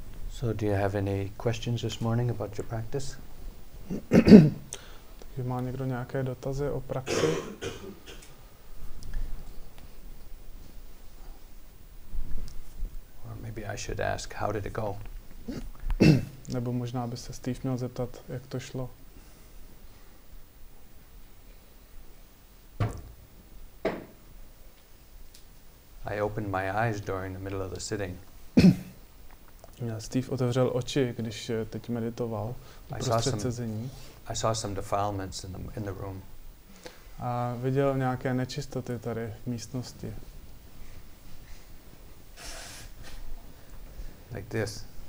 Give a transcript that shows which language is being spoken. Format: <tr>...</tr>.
<en>So do you have any questions this morning about your practice?</en> <cs>Takže má někdo nějaké dotazy o praxi?</cs> <en>Or maybe I should ask, how did it go?</en> <cs>Nebo možná by se Steve měl zeptat, jak to šlo.</cs> <en>I opened my eyes during the middle of the sitting.</en> <cs>Steve otevřel oči, když teď meditoval uprostřed sezení.</cs> <en>I saw some defilements in the room.</en> <cs>A viděl nějaké nečistoty tady v místnosti.</cs> <en>Like this.</en>